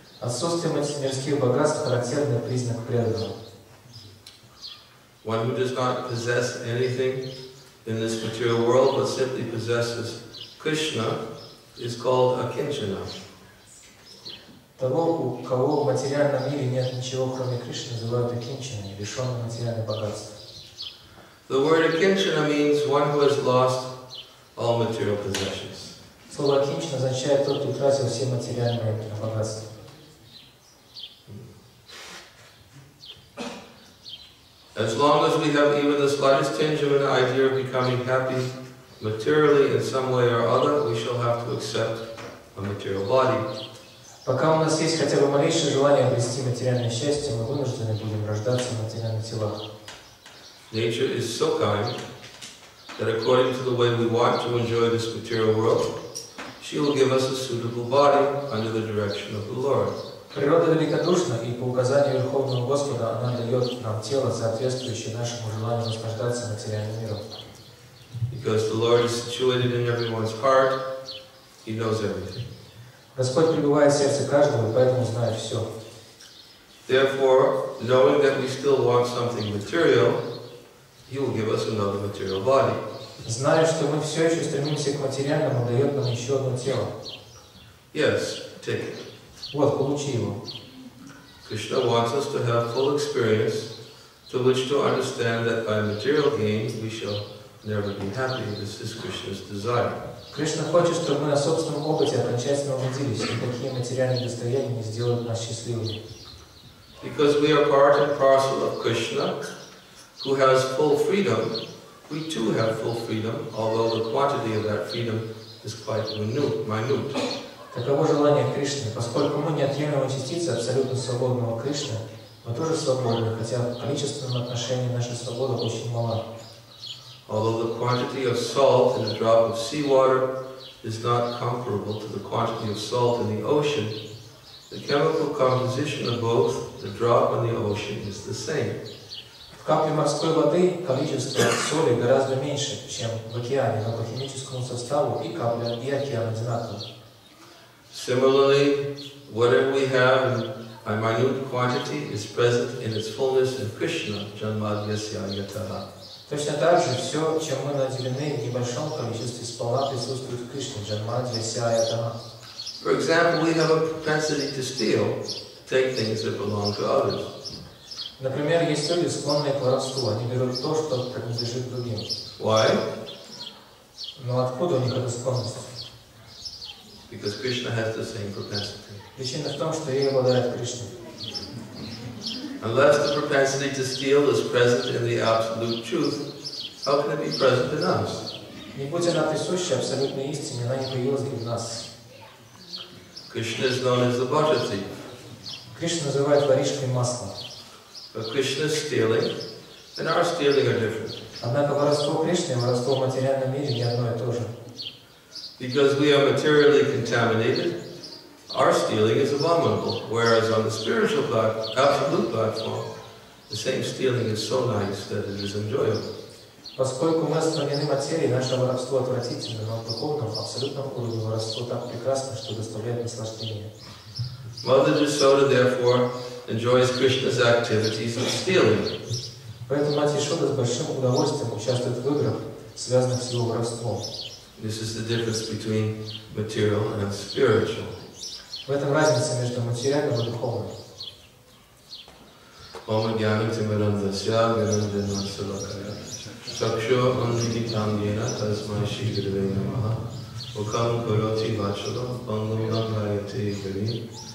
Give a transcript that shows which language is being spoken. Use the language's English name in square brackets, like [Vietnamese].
[Russian] Отсутствие материальных богатств характерный признак преданного. [English] One who does not possess anything in this material world but simply possesses Krishna is called akinchana. [Russian] Того, у кого в материальном мире нет ничего, кроме Кришны, называют акинчана, лишённым материальных богатств. [English] The word akinchana means one who has lost all material possessions. [Russian] Слово акинчана означает тот, кто утратил все материальные богатства. [English] As long as we have even the slightest tinge of an idea of becoming happy materially in some way or other, we shall have to accept a material body. [Russian] Пока у нас есть хотя бы малейшее желание обрести материальное счастье, мы вынуждены будем рождаться в материальных телах. [English] Nature is so kind that according to the way we want to enjoy this material world, she will give us a suitable body under the direction of the Lord. [Russian] Природа великодушна, и по указанию Верховного Господа она дает нам тело, соответствующее нашему желанию наслаждаться материальным миром. [English] Because the Lord is situated in everyone's heart, He knows everything. [Russian] Господь пребывает в сердце каждого, поэтому знает все. [English] Therefore, knowing that we still want something material, He will give us another material body. [Russian] Зная, что мы все еще стремимся к материальному, дает нам еще одно тело. [English] Yes, take it. [Russian] Вот, получи его. [English] Krishna wants us to have full experience to which to understand that by material gain we shall never be happy. This is Krishna's desire. [Russian] Кришна хочет, чтобы мы на собственном опыте окончательно убедились, никакие материальные достояния не сделают нас счастливыми. [English] Because we are part and parcel of Krishna, who has full freedom, we too have full freedom, although the quantity of that freedom is quite minute. [Russian] Таково желание Кришны. Поскольку мы неотъемлемая частица абсолютно свободного Кришны, мы тоже свободны, хотя в количественном отношении наша свобода очень мала. [English] although the quantity of salt in a drop of seawater is not comparable to the quantity of salt in the ocean, the chemical composition of both the drop and the ocean is the same. [Russian] В каплі морской воды количество соли гораздо меньше, чем в океане, но по химическому составу и капля, и океан одинаковы. [English] Similarly, whatever we have in a minute quantity is present in its fullness in Krishna, Janmadvyasyayatara. [Russian] Точно так же все, чем мы наделены в небольшом количестве сполна присутствует в Кришне, Janmadvyasyayatara. [English] For example, we have a propensity to steal, take things that belong to others. [Russian] Например, есть люди, склонные к воровству, они берут то, что принадлежит другим. [English] Why? [Russian] Но откуда у них эта склонность? [English] Because Krishna has the same propensity. [Russian] Причина в том, что ей обладает Кришна. [English] Unless the propensity to steal is present in the absolute truth, how can it be present in us? [Russian] Не будь она присуща абсолютной истине, она не появилась ли в нас. [English] Krishna is known as the butter thief. [Russian] Кришна называют воришкой масла. [English] But Krishna is stealing, and our stealing are different. [Russian] Однако воровство Кришны и воровство в материальном мире не одно и то же. [English] Because we are materially contaminated, our stealing is abominable. Whereas on the spiritual absolute platform, the same stealing is so nice that it is enjoyable. [Russian] Поскольку мы сравнены материей, наше воровство отвратительно, но в духовном, абсолютном уровне воровство так прекрасно, что доставляет наслаждение. [English] Mother Yashoda, therefore, enjoys Krishna's activities of stealing. [Russian] Поэтому мать Яшода с большим удовольствием участвует в играх, связанных с его воровством. [English] This is the difference between material and spiritual. [Russian] В этом разница между материальным и духовным. [Sanskrit] Ома гьяна тимарандасья гьянандина салакая. Чакшо анжикитам гьяна тасмай шигрве намаха. Окам кароти вачалам панглам гайате гари.